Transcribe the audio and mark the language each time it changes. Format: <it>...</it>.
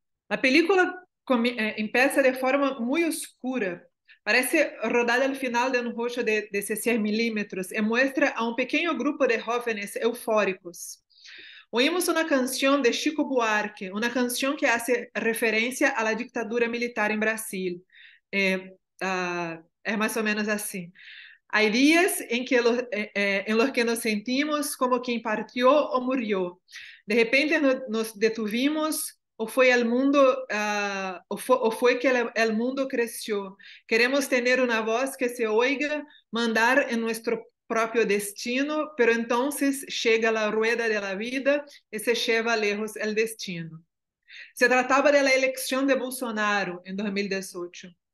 <es>A película empieza de forma muy oscura, parece rodada al final de un rollo de 16 milímetros y muestra a un pequeño grupo de jóvenes eufóricos. Oímos una canción de Chico Buarque, una canción que hace referencia a la dictadura militar en Brasil. Es más o menos así.</es> <pt>Há dias em que nos sentimos como quem partiu ou morreu.</pt> <es>De repente nos detuvimos o fue el mundo, o fue que el mundo creció. Queremos tener una voz que se oiga, mandar en nuestro propio destino, pero entonces llega la rueda de la vida y se lleva lejos el destino. Se trataba de la elección de Bolsonaro en 2018.</es>